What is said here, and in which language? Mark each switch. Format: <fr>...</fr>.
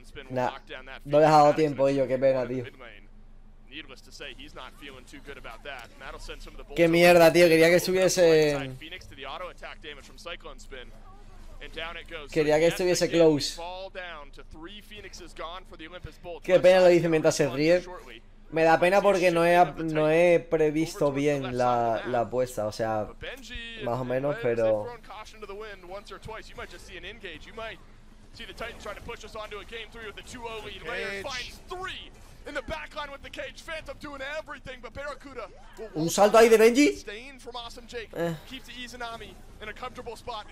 <es>Nah, no le ha dado tiempo, ello, qué pena, tío.</es> <en>Needless to say, he's not feeling too good about that. And that'll send some of the</en> <es>bolts. Qué mierda, tío, quería que estuviese</es> <en>Phoenix to the auto attack damage from Cyclone Spin. And down it goes.</en> <es>Quería que estuviese</es> <en>close. Fall down to three Phoenixes gone for the Olympus Bolt.</en> <es>Qué pena, lo dice mientras se ríe. Me da pena porque no he previsto bien la apuesta, o sea, más o menos, pero</es> <en>see the Titans trying to push us onto a game 3 with the 2-0 lead. Layers finds 3. in the back line with the cage. Phantom doing everything, but Barracuda.</en> <es>Un salto ahí de Benji.</es> <en>Staying from Awesome Jake. Keep the Izanami in a comfortable spot.</en>